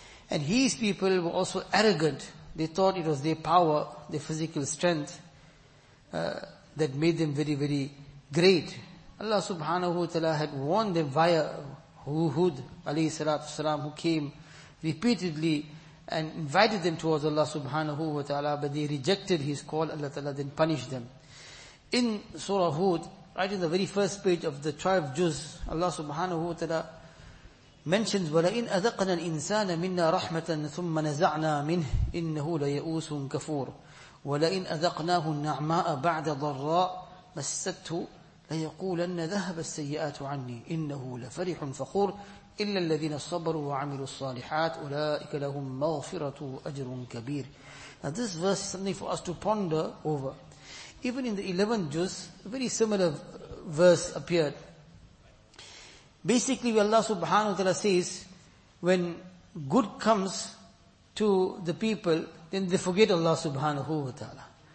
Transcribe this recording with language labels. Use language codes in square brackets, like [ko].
[en] And his people were also arrogant. They thought it was their power, their physical strength, that made them very, very great. Allah subhanahu wa ta'ala had warned them via Hud alayhi salatu salam, who came repeatedly and invited them towards Allah subhanahu wa ta'ala, but they rejected his call. Allah ta'ala then punished them. In Surah Hud, right in the very first page of the 12 juz, Allah subhanahu wa ta'ala mentions, [ar] وَلَئِنْ أَذَقْنَا الْإِنسَانَ مِنَّا رَحْمَةً ثُمَّ نَزَعْنَا مِنْهِ إِنَّهُ لَيَؤُوسٌ كَفُورٌ وَلَئِنْ أَذَقْنَاهُ النَّعْمَاءَ بَعْدَ ضَرَّاءٍ مَسَّتْهُ لَيَقُولَنَّ ذَهَبَ السَّيِّئَاتُ عَنِّي إِنَّهُ لَفَرِحٌ فَخُورٌ إِلَّا الَّذِينَ صَبَرُوا وَعَمِلُوا الصَّالِحَاتِ أُولَئِكَ لَهُم مَّغْفِرَةٌ أَجْرٌ كَبِيرٌ. [en] Now this verse is something for us to ponder over. Even in the 11th juz, a very similar verse appeared. Basically, Allah subhanahu wa ta'ala says, when good comes to the people, then they forget Allah subhanahu wa ta'ala.